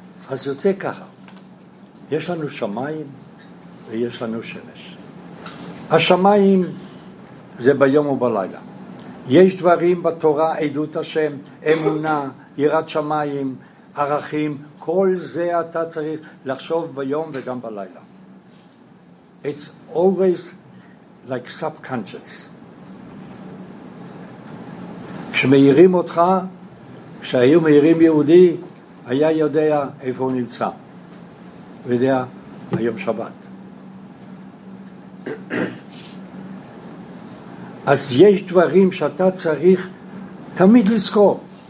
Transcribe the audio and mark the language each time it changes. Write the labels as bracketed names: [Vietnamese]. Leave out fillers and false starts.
[Hebrew] אז יוצא ככה, יש לנו שמיים ויש לנו שמש. השמיים זה ביום ובלילה. יש דברים בתורה, עדות השם, אמונה, יראת שמיים, ערכים, כל זה אתה צריך לחשוב ביום וגם בלילה. [English] It's always like subconscious. [Hebrew] כשמאירים אותך, כשהיו מאירים יהודי, היה יודע איפה הוא נמצא. ויודע, היום שבת. אז יש דברים שאתה צריך תמיד לזכור.